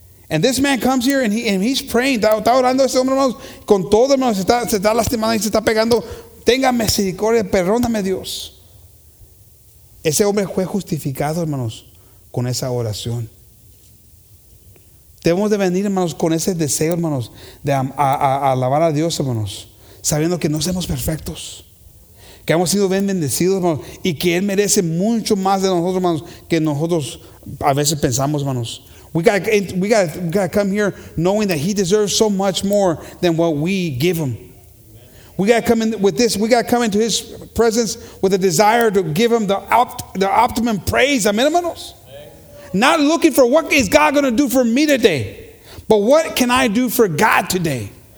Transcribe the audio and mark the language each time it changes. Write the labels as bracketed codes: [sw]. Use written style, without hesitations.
[en] And this man comes here and he's praying. [es] Está orando este hombre, hermanos, con todo, hermanos. Se está lastimando y se está pegando. Tenga misericordia, perdóname, Dios. Ese hombre fue justificado, hermanos, con esa oración. Debemos de venir, hermanos, con ese deseo, hermanos, de a alabar a Dios, hermanos, sabiendo que no somos perfectos, que hemos sido bien bendecidos, hermanos, y que Él merece mucho más de nosotros, hermanos, que nosotros a veces pensamos, hermanos. [en] We got to come here knowing that He deserves so much more than what we give Him. We got to come in with this. We got to come into His presence with a desire to give Him the optimum praise. Amen, hermanos. Not looking for what is God going to do for me today, but what can I do for God today?